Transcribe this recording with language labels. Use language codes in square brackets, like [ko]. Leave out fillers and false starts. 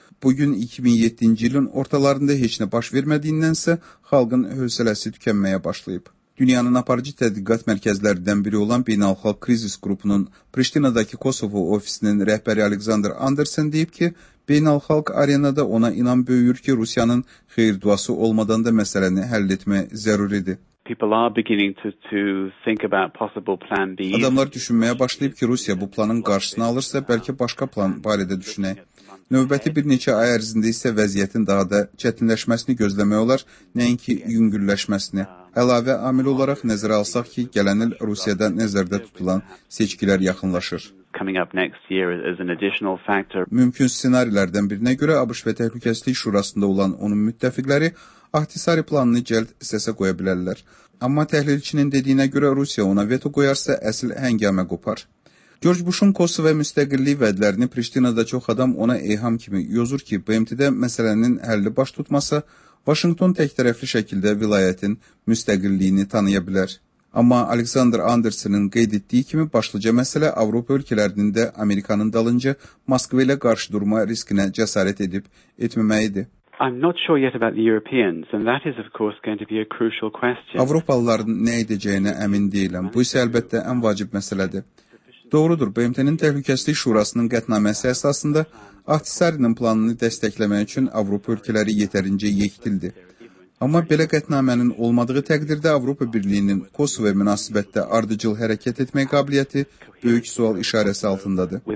[az] Bugün 2007-ci ilin ortalarında heç nə baş vermədiyindən isə xalqın hövsələsi tükənməyə başlayıb. Dünyanın aparıcı tədqiqat mərkəzlərindən biri olan Beynəlxalq Krizis Qrupunun Priştinadakı Kosova ofisinin rəhbəri Alexander Anderson deyib ki, beynəlxalq arenada ona inan böyüyür ki, Rusiyanın xeyir duası olmadan da məsələni həll etmək zəruridir. [en] People are beginning to think about possible plan B. [az] Adamlar düşünməyə başlayıb ki, Rusiya bu planın qarşısını alırsa, bəlkə başqa plan barədə düşünək. Növbəti bir neçə ay ərzində isə vəziyyətin daha da çətinləşməsini gözləmək olar, nəinki yüngülləşməsini. Əlavə amil olaraq nəzərə alsaq ki, gələn il Rusiyada nəzərdə tutulan seçkilər yaxınlaşır. [en] Coming up next year is an additional factor. [az] Mümkün ssenarilərdən birinə görə ABŞ və Təhlükəsizlik Şurasında olan onun müttəfiqləri Ahtisari planını cəld səsə qoya bilərlər. Amma təhlilçinin dediyinə görə Rusiya ona veto qoyarsa əsl həngamə qopar. Görc Buşun Kosova müstəqilliyi vədlərini Priştinada çox adam ona eyham kimi yozur ki, BMT-də məsələnin həlli baş tutmasa, Vaşington təktərəfli şəkildə vilayətin müstəqilliyini tanıya bilər. Amma Alexander Andersonun qeyd etdiyi kimi başlıca məsələ Avropa ölkələrinin də Amerikanın dalınca Moskva ilə qarşı durma riskinə cəsarət edib etməməyidir. [en] I'm not sure yet about the Europeans and that is of course going to be a crucial question. [az] Avropalıların nə edəcəyinə əmin deyiləm. Bu isə əlbəttə ən vacib məsələdir. Doğrudur, BMT-nin Təhlükəsizlik Şurasının qətnaməsi əsasında Ahtisarinin planını dəstəkləmək üçün Avropa ölkələri yetərincə yekdildir. Amma belə qətnamənin olmadığı təqdirdə Avropa Birliyinin Kosova münasibətdə ardıcıl hərəkət etmək qabiliyyəti böyük sual işarəsi altındadır.